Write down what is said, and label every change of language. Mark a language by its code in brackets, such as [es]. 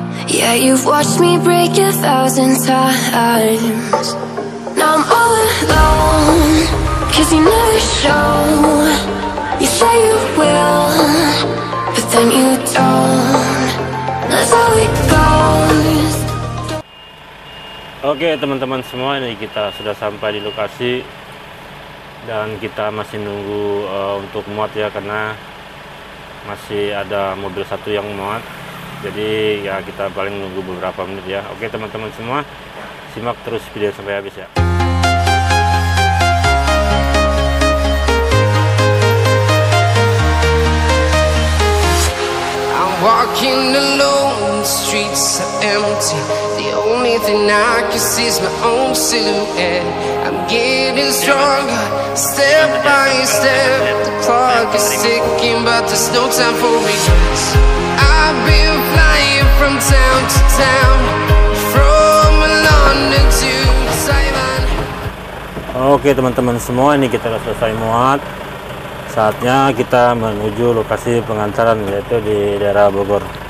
[en] Yeah, you've watched me break a thousand times. Now I'm all alone, 'cause you never show. You say you will, but then you don't. That's how it goes. [id] Oke, teman-teman semua, ini kita sudah sampai di lokasi dan kita masih nunggu untuk muat ya, karena masih ada mobil satu yang muat, jadi ya kita paling nunggu beberapa menit ya. Oke teman-teman semua, simak terus video sampai habis ya. [en] I'm walking alone, the streets are empty. The only thing I can see is my own silhouette. I'm getting stronger, step by step. The clock is ticking, but there's no time for me. I've been flying from town to town, from London to Taiwan. [id] Oke teman-teman semua, ini kita sudah selesai muat. Saatnya kita menuju lokasi pengantaran, yaitu di daerah Bogor.